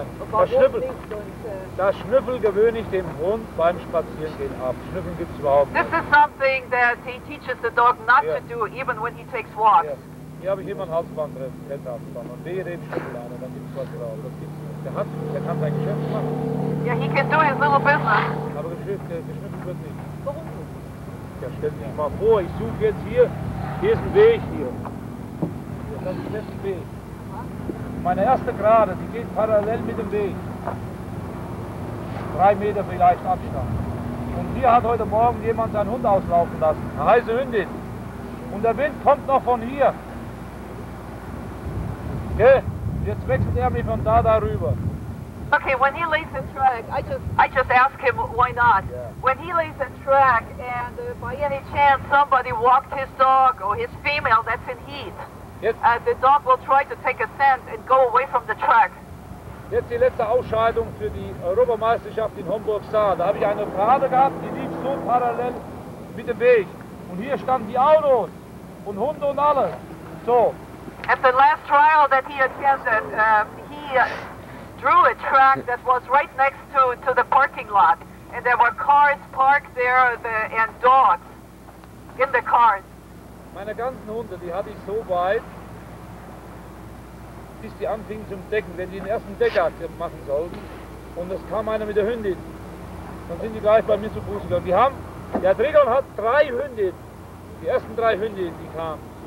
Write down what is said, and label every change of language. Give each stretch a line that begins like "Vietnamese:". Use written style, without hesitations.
German: Das Schnüffel gewöhne ich dem Hund beim Spazierengehen ab. Schnüffeln gibt es überhaupt nicht.
English: This is something that he teaches the dog not to do, even when he takes walks. Yeah.
German: Hier habe ich immer ein Halsband drin, Kettenhalsband. Und wehe den Schnüffel an, und dann gibt es was drauf. Das gibt's nicht. Der hat, der kann sein Geschäft machen.
English: Yeah, he can do his little business.
German: Aber geschnüffelt wird nicht. Warum? Ja, stell dir mal vor, ich suche jetzt hier, hier ist ein Weg hier. Das ist jetzt ein Weg. Meine erste Gerade, die geht parallel mit dem Weg. 3 Meter vielleicht Abstand. Und hier hat heute Morgen jemand seinen Hund auslaufen lassen. Eine heiße Hündin. Und der Wind kommt noch von hier. Okay, jetzt wechselt mich von da darüber.
English: Okay, when he lays in track, I just ask him, why not? Yeah. When he lays in track and by any chance somebody walked his dog or his female that's in heat, the dog will try to take a scent and go away from the track.
German: Jetzt die letzte Ausscheidung für die Europameisterschaft in Homburg-Saar. Da habe ich eine Gerade gehabt, die lief so parallel mit dem Weg. Und hier standen die Autos und Hunde und alle. So.
English: At the last trial that he attended, he drew a track that was right next to the parking lot. And there were cars parked there and dogs in the cars.
German: Meine ganzen Hunde, die hatte ich so weit, bis die anfingen zum Decken, wenn die den ersten Decker machen sollten. Und es kam einer mit der Hündin. Dann sind die gleich bei mir zu Fuß gegangen. Die haben, der Trigger hat 3 Hündin. Die ersten 3 Hündin, die kamen.